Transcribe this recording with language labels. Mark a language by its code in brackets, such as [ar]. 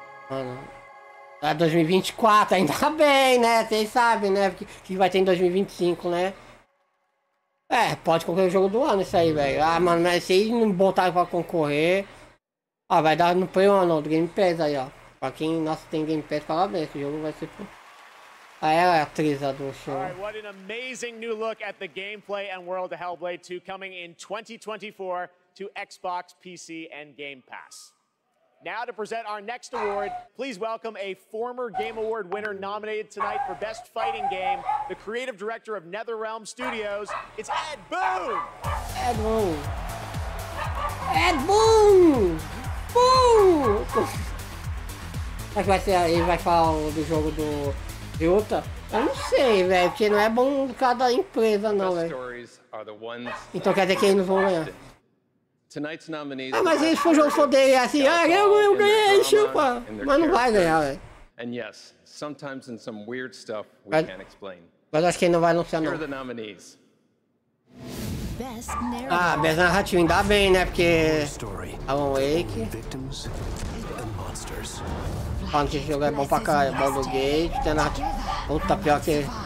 [pt] Mano. É 2024, ainda bem, né? Vocês sabem, né? O que vai ter em 2025, né? É, pode concorrer o jogo do ano isso aí, velho. Ah, mano, mas se eles não botarem pra concorrer. Ah, vai dar no Play 1 não, do Game Pass aí, ó. Pra quem, nossa, tem Game Pass, parabéns. O jogo vai ser pro. Ah, ela é a atriz do show. [en] Alright, what an amazing new look at the gameplay and world of Hellblade 2 coming in 2024. To Xbox, PC, and Game Pass. Now to present our next award, please welcome a former Game Award winner nominated tonight for Best Fighting Game, the creative director of NetherRealm Studios, it's Ed Boon! Ed Boon! Ed Boon! Boon! [pt] Será que ele vai falar do jogo do Ryuta? Eu não sei, velho, porque não é bom cada empresa, não, velho. Então quer dizer que eles não vão ganhar. [en] Tonight's nominees. [pt] Ah, mas esse foi o jogo só dele, assim, ah, eu ganhei, chupa. Mas não vai ganhar, velho. [en] And yes, sometimes in some weird stuff we can't explain. [pt] Mas acho que ele não vai anunciar, não. [en] Here are the nominees. [pt] Ah, best narrativa, ainda bem, né? Porque. Alan Wake. [en] Victims and monsters. [pt] Falando que esse jogo é bom pra cá, é bom do Gage. Tem narrativa. Puta, pior que.